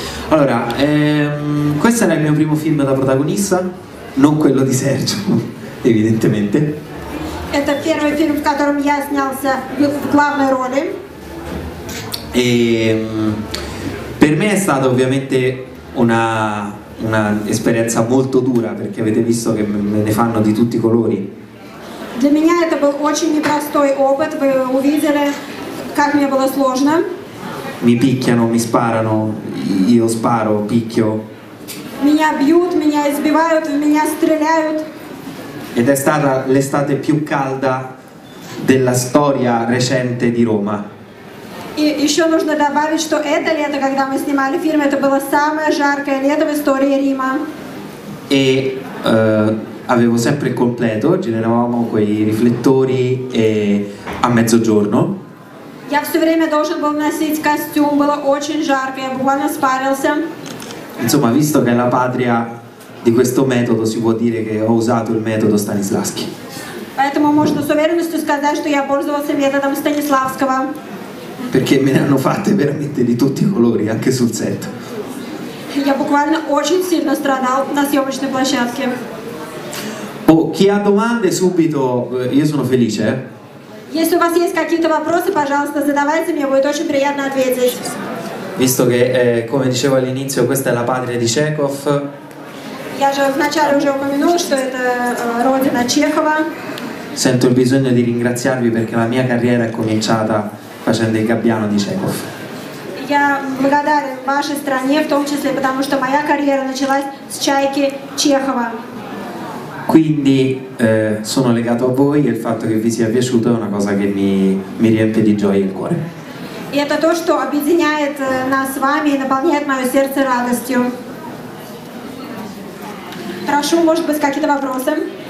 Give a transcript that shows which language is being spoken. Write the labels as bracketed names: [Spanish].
[Italian] Allora, questo era il mio primo film da protagonista, non quello di Sergio, evidentemente. Questo è il primo film in cui mi [Russian] снялся [Italian] in [Russian] главной роли. [Italian] E per me è stata ovviamente una esperienza molto dura, perché avete visto che me ne fanno di tutti i colori. [Russian] Для меня это был очень непростой опыт. Вы увидели, как мне было сложно. [Italian] Mi picchiano, mi sparano, io sparo, picchio. [Russian] Меня бьют, меня избивают, в меня стреляют. [Italian] Ed è stata l'estate più calda della storia recente di Roma. [Russian] И еще нужно добавить, что это лето, когда мы снимали фильм, это было самое жаркое лето в истории Рима. [Italian] E avevo sempre il completo, generavamo quei riflettori e a mezzogiorno. [Russian] Я все время должен был носить костюм, было очень жарко, я буквально спарился. [Italian] Insomma, visto che è la patria di questo metodo, si può dire che ho usato il metodo Stanislavski. [Russian] Поэтому можно с уверенностью сказать, что я пользовался методом Станиславского. [Italian] Perché me ne hanno fatte veramente di tutti i colori, anche sul set. [Russian] Я буквально очень сильно страдал на съемочной площадке. [Italian] Oh, chi ha domande subito, io sono felice. [Russian] Если у вас есть какие-то вопросы, пожалуйста, задавайте, мне будет очень приятно ответить. [Italian] Visto che, come dicevo all'inizio, questa è la patria di Chekhov. [Russian] Я же вначале уже упомянул, что это родина Чехова. [Italian] Sento il bisogno di ringraziarvi perché la mia carriera è cominciata facendo il gabbiano di Chekhov. [Russian] Я благодарен вашей стране, в том числе, потому что моя карьера началась с чайки Чехова. [Italian] Quindi sono legato a voi e il fatto che vi sia piaciuto è una cosa che mi riempie di gioia il cuore. [Russian] E è то, что объединяет нас с вами и наполняет моё сердце радостью. Прошу, может быть, какие-то вопросы?